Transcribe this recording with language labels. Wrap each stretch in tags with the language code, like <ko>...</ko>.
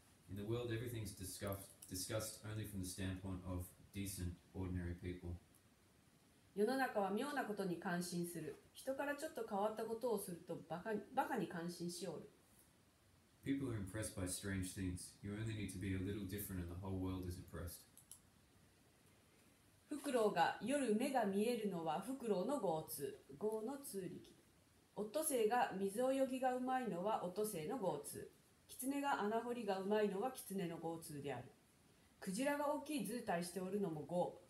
<en>In the world, everything's discussed only from the standpoint of decent, ordinary people.</en> <ja>世の中は妙なことに感心する。人からちょっと変わったことをするとバカに感心しおる。</ja> <en>People are impressed by strange things. You only need to be a little different and the whole world is impressed.</en> <ja>フクロウが夜目が見えるのはフクロウの豪通。豪の通力。オットセイが水泳ぎがうまいのはオットセイの豪通。キツネが穴掘りがうまいのはキツネの豪通である。クジラが大きい図体しておるのも豪。</ja>